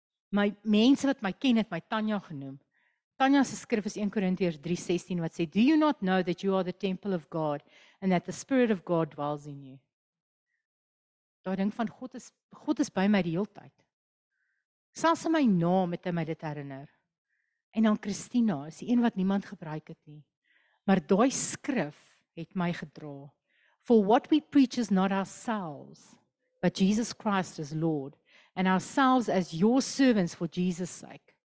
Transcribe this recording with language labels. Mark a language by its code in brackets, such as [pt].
[af] My mense wat my ken het my Tanya genoem. Tanya se skrif is 1 Korintiërs 3:16 wat sê, [en] do you not know that you are the temple of God and that the spirit of God dwells in you? [af] Daar dink van God is by my die hele tyd. Selfs in my naam het hy my dit herinner. En dan Christina is die een wat niemand gebruik het nie. Maar daai skrif het my gedra. [en] For what we preach is not ourselves, but Jesus Christ is Lord, and ourselves as your servants for Jesus' sake.